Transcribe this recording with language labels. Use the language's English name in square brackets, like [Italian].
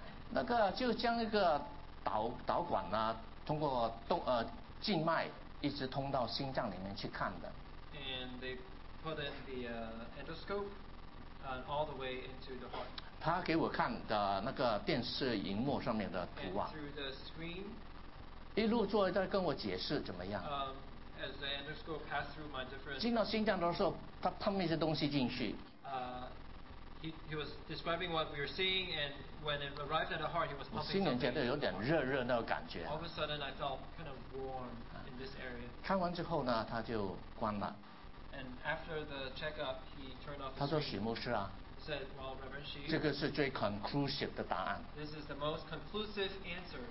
[Chinese] 那个就将一个 导管呢、啊、通过动静脉一直通到心脏里面去看的 [English] and they put in the endoscope all the way into the heart [Chinese] 他给我看的那个电视荧幕上面的图啊 [English] and through the screen [Chinese] 一路坐在跟我解释怎么样 [English] as the endoscope passed through my different [Chinese] 进到心脏的时候他喷一些东西进去 [English] He was describing what we were seeing, and when it arrived at the heart, he was pumping. [Chinese] 我心里觉得有点热热那个感觉。 [English] All of a sudden, I felt kind of warm in this area. [Chinese] 看完之后呢，他就关了。 [English] And after the checkup, he turned off. [Chinese] 他说：“许牧师啊。” [English] Said, "Well, Reverend Shi." [Chinese] 这个是最 conclusive 的答案。 [English] This is the most conclusive answer.